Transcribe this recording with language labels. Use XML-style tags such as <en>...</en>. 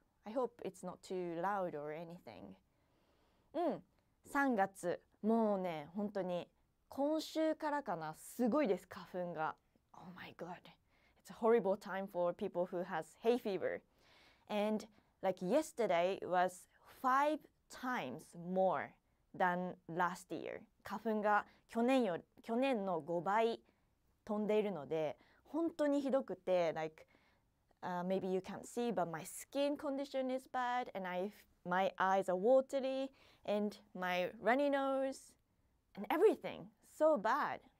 <en>I hope it's not too loud or anything.</en> <ja>うん、3月、もうね、本当に今週からかな、すごいです、花粉が。</ja> <en>Oh my god, it's a horrible time for people who has hay fever. And like yesterday was 5 times more than last year.</en> <ja>花粉が去年の5倍飛んでいるので、本当にひどくて、</ja> <en>likeMaybe you can't see, but my skin condition is bad, and my eyes are watery, and my runny nose, and everything so bad.</en>